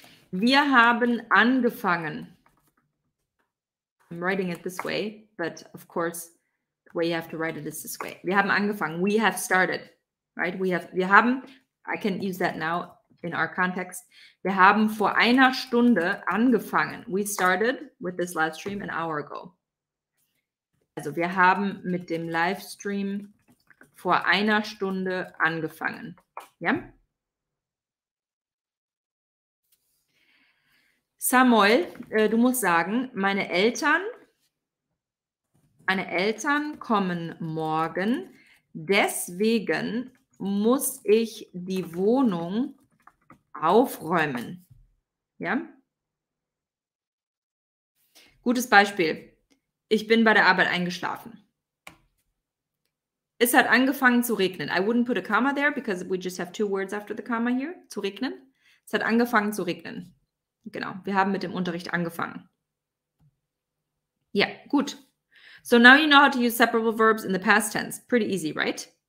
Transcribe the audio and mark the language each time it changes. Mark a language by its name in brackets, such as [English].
[German] Wir haben angefangen. [English] I'm writing it this way, but of course, the way you have to write it is this way. Wir haben angefangen. We have started, right? I can use that now in our context. [German] Wir haben vor einer Stunde angefangen. [English] We started with this live stream an hour ago. [German] Also wir haben mit dem Livestream vor einer Stunde angefangen. Ja? Yeah? Samuel, du musst sagen, meine Eltern kommen morgen, deswegen muss ich die Wohnung aufräumen. Ja? Gutes Beispiel. Ich bin bei der Arbeit eingeschlafen. Es hat angefangen zu regnen. [English] I wouldn't put a comma there because we just have two words after the comma here. [German] Zu regnen. Es hat angefangen zu regnen. Genau. Wir haben mit dem Unterricht angefangen. Yeah, gut. [English] So now you know how to use separable verbs in the past tense. Pretty easy, right?